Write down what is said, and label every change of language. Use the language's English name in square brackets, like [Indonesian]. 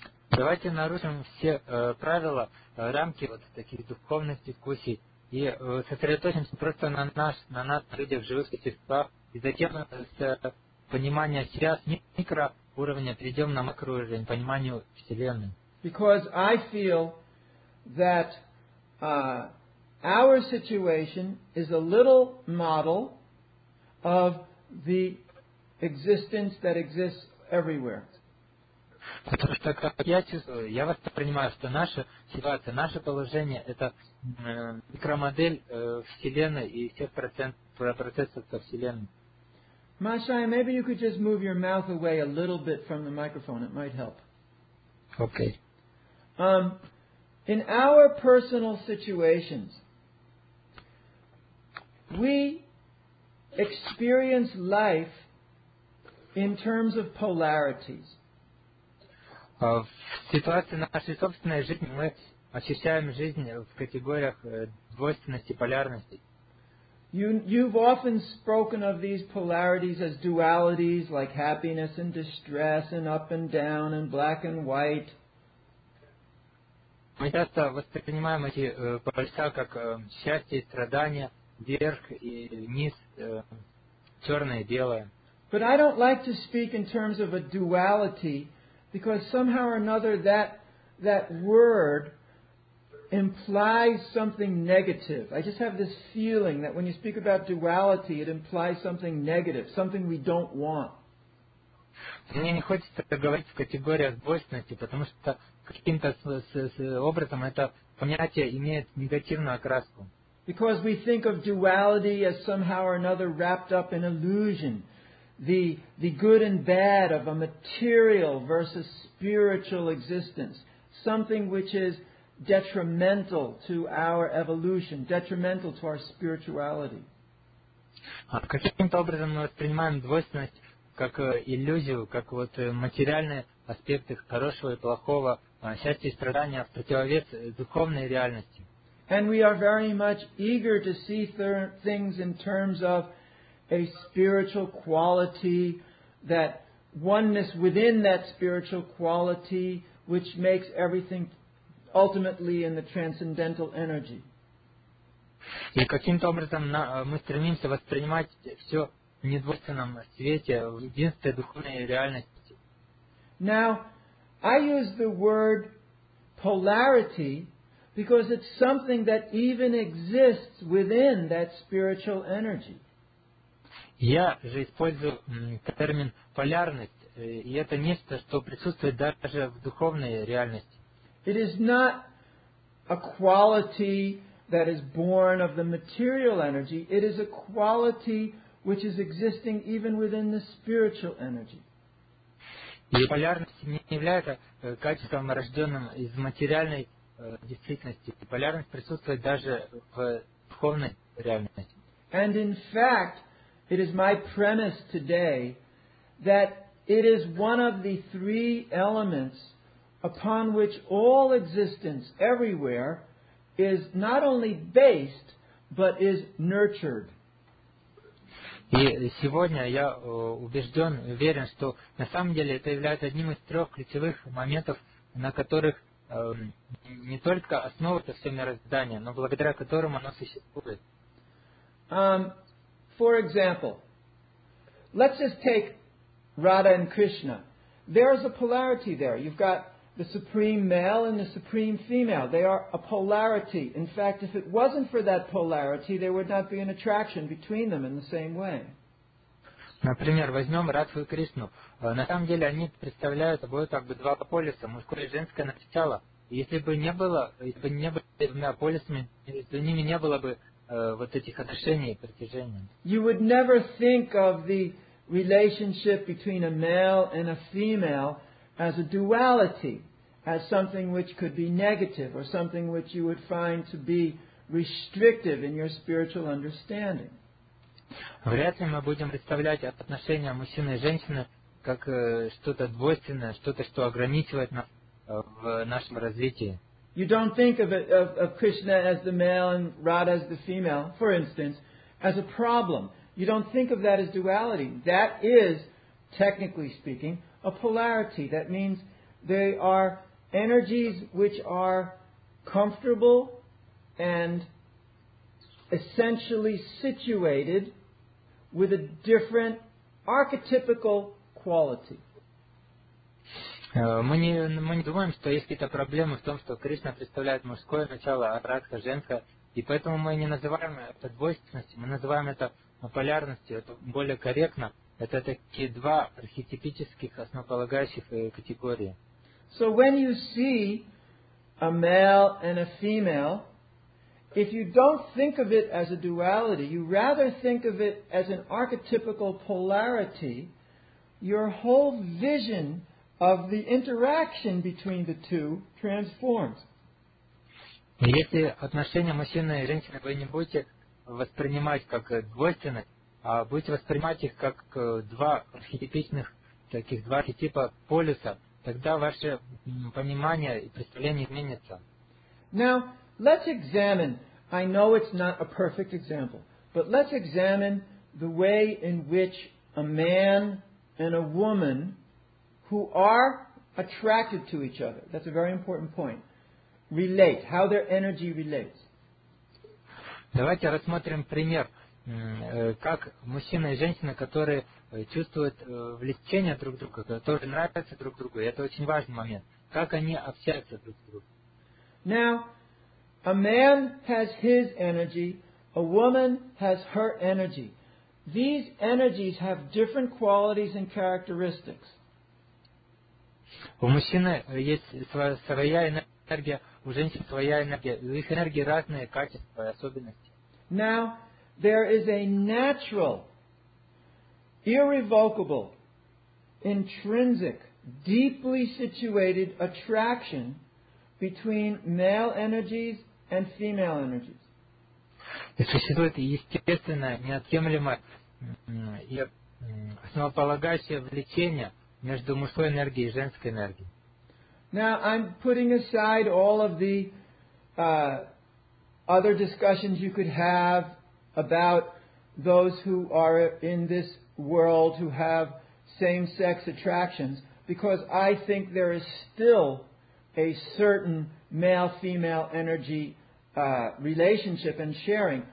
[Russian] Давайте нарушим все правила, рамки вот таких духовных дискуссий и сосредоточимся просто на нас, людях, живых существах, и затем с понимания себя с микроуровня перейдем на макроуровень, пониманию Вселенной. [English] Because I feel that our situation is a little model of the existence that exists everywhere. [Russian] Потому что, как я чувствую, я воспринимаю, что наша ситуация, наше положение – это микромодель Вселенной и всех процессов со Вселенной. [English] Машая, maybe you could just move your mouth away a little bit from the microphone. It might help. Okay. In our personal situations, we experience life in terms of polarities. [Russian] В ситуации нашей собственной жизни мы ощущаем жизнь в категориях двойственности, полярности. [English] You've often spoken of these polarities as dualities, like happiness and distress, and up and down, and black and white. [Russian] Мы часто воспринимаем эти полюса как счастье и страдания. Вверх и вниз, черное и белое. [English] But I don't like to speak in terms of a duality, because somehow or another that word implies something negative. I just have this feeling that when you speak about duality, it implies something negative, something we don't want. [Russian] Мне не хочется говорить в категориях двойственности, потому что каким-то образом это понятие имеет негативную окраску. [English] Because we think of duality as somehow or another wrapped up in illusion, the good and bad of a material versus spiritual existence, something which is detrimental to our evolution, detrimental to our spirituality. [Russian] Каким-то образом мы воспринимаем двойственность как иллюзию, как вот материальные аспекты хорошего и плохого, счастья и страдания в противовес духовной реальности. [English] And we are very much eager to see things in terms of a spiritual quality, that oneness within that spiritual quality, which makes everything ultimately in the transcendental energy. [Russian] И каким-то образом мы стремимся воспринимать все в недвойственном свете, в единстве духовной реальности. [English] Now, I use the word polarity because it's something that even exists within that spiritual energy. [Russian] Я же использую термин полярность, и это нечто, что присутствует даже в духовной реальности. [English] It is not a quality that is born of the material energy. It is a quality which is existing even within the spiritual energy. [Russian] Биполярность не является качеством, рожденным из материальной действительности. Биполярность присутствует даже в духовной реальности. [English] And in fact, it is my premise today that it is one of the three elements upon which all existence everywhere is not only based, but is nurtured. [Russian] И сегодня я убежден, уверен, что на самом деле это является одним из трех ключевых моментов, на которых не только основывается все мироздание, но благодаря которым оно существует. [English] For example, let's just take Radha and Krishna. There is a polarity there. You've got the supreme male and the supreme female. They are a polarity. In fact, if it wasn't for that polarity, there would not be an attraction between them in the same way. [Russian] Например, возьмем Радху и Кришну. На самом деле они представляют собой как бы два полюса, мужское и женское начало. Если бы не было двумя полюсами, между ними не было бы вот этих отношений и притяжения. [English] You would never think of the relationship between a male and a female as a duality, as something which could be negative or something which you would find to be restrictive in your spiritual understanding. [Russian] Вряд ли мы будем представлять отношения мужчины и женщины как что-то двойственное, что-то, что ограничивает нас в нашем развитии. [English] You don't think of Krishna as the male and Radha as the female, for instance, as a problem. You don't think of that as duality. That is, technically speaking, a polarity. That means they are energies which are comfortable and essentially situated with a different archetypical quality. [Russian] Мы не думаем, что есть какие-то проблемы в том, что Кришна представляет мужское начало, а Радха – женское. И поэтому мы не называем это двойственностью, мы называем это полярностью. Это более корректно. Это такие два архетипических основополагающих категории. [English] So when you see a male and a female, if you don't think of it as a duality, you rather think of it as an archetypical polarity, your whole vision of the interaction between the two transforms. [Russian] Если отношения мужчины и женщины вы не будете воспринимать как двойственность, а будете воспринимать их как два архетипичных, таких два архетипа полюса, тогда ваше понимание и представление изменится. [English] Now, let's examine, I know it's not a perfect example, but let's examine the way in which a man and a woman who are attracted to each other, that's a very important point, relate, how their energy relates. [Russian] Давайте рассмотрим пример, как мужчина и женщина, которые чувствуют влечение друг к другу, которые нравятся друг другу, и это очень важный момент, как они общаются друг с другом. [English] Now, a man has his energy, a woman has her energy. These energies have different qualities and characteristics. [Russian] У мужчины есть своя энергия, у женщин своя энергия, у их энергии разные качества и особенности. [English] Now, there is a natural, irrevocable, intrinsic, deeply situated attraction between male energies and female energies. [Russian] Существует естественное, неотъемлемое и основополагающее влечение между мужской энергией и женской энергией. [English] Now, I'm putting aside all of the other discussions you could have about those who are in this world who have same-sex attractions, because I think there is still a certain male-female energy relationship and sharing.